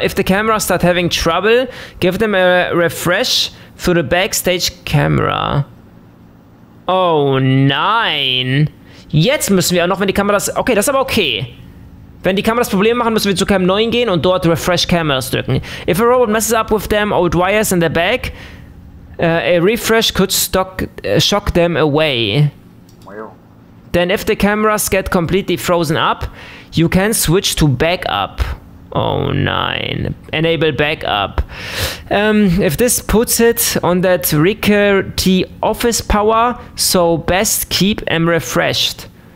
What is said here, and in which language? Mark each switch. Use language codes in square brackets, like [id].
[en] If the camera start having trouble, give them a refresh through the backstage camera. [de] Oh nein. Jetzt müssen wir auch noch, wenn die Kameras... Okay, das ist aber okay. Wenn die Kameras Probleme machen, müssen wir zu Cam 9 gehen und dort Refresh Cameras drücken. [en] If a robot messes up with them old wires in the back, a refresh could shock them away. Then if the cameras get completely frozen up, you can switch to backup. [de] Oh nein. [en] Enable backup. If this puts it on that rickety office power, so best keep them refreshed.